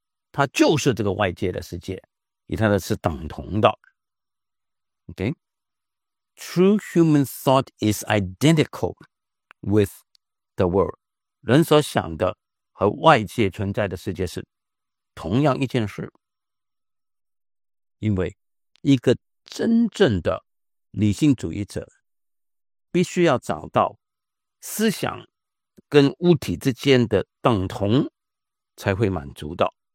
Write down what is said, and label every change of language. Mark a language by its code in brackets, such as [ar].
[zh] 它就是这个外界的世界，与它的是等同的。 Okay? [en] True human thought is identical with the world. [zh] 人所想的和外界存在的世界是同样一件事。因为一个真正的理性主义者必须要找到思想跟物体之间的等同才会满足的。